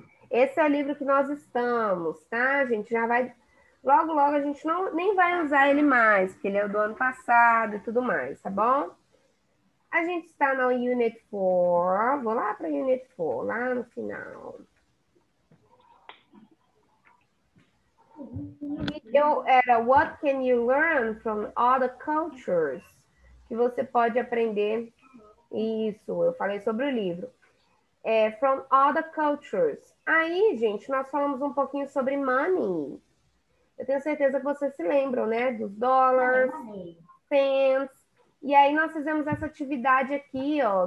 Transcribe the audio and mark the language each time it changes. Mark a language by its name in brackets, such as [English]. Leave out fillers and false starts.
[Portuguese] Esse é o livro que nós estamos, tá, gente? Já vai... Logo, logo, a gente não, nem vai usar ele mais, porque ele é do ano passado e tudo mais, tá bom? A gente está na Unit 4. Vou lá para a Unit 4, lá no final. Eu era, [English] what can you learn from other cultures? [Portuguese] Que você pode aprender isso, eu falei sobre o livro. É, [English] from other cultures. [Portuguese] Aí, gente, nós falamos um pouquinho sobre money. Eu tenho certeza que vocês se lembram, né? Dos dólares, cents. E aí nós fizemos essa atividade aqui, ó.